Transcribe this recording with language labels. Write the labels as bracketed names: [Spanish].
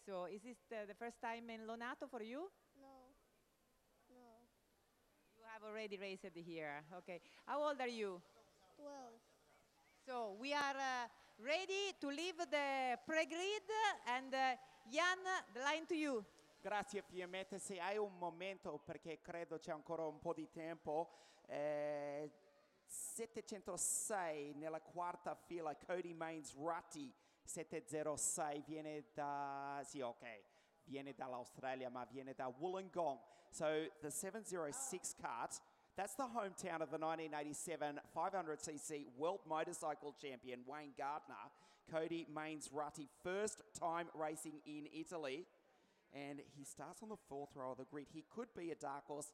[English] So, is this the first time in Lonato for you? No. You have already raced here, okay. How old are you? 12. So, we are ready to leave the pre-grid, and Jan, the line to you. [Italian] Grazie, Fiametta. Se hai un momento, perché credo c'è ancora un po' di tempo. 706 nella quarta fila, Cody Mains-Rutty. 706 viene da, sì, ok, viene dall'Australia, ma viene da Wollongong. [English] So the 706 kart, that's the hometown of the 1987 500cc World Motorcycle Champion, Wayne Gardner. Cody Mainsrutty, first time racing in Italy. And he starts on the fourth row of the grid. He could be a dark horse.